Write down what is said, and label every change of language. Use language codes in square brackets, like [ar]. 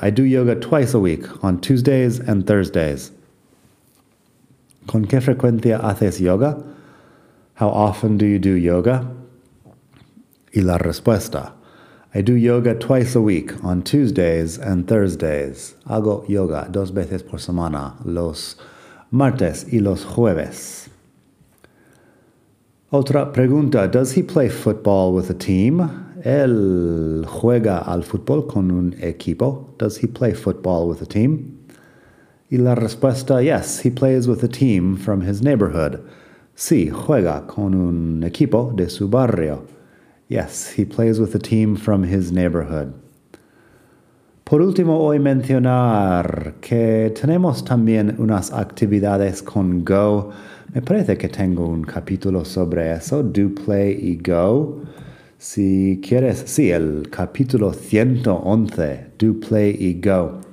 [en] I do yoga twice a week, on Tuesdays and Thursdays. [es] ¿Con qué frecuencia haces yoga? [en] How often do you do yoga? [es] Y la respuesta. [en] I do yoga twice a week, on Tuesdays and Thursdays. [es] Hago yoga 2 veces por semana, los martes y los jueves. Otra pregunta, [en] does he play football with a team? [es] ¿Él juega al fútbol con un equipo? [en] Does he play football with a team? [es] Y la respuesta, [en] yes, he plays with a team from his neighborhood. [es] Sí, juega con un equipo de su barrio. [en] Yes, he plays with a team from his neighborhood. [es] Por último, voy a mencionar que tenemos también unas actividades con Go. Me parece que tengo un capítulo sobre eso, Do Play y Go. Si quieres, sí, el capítulo 111, Do Play y Go.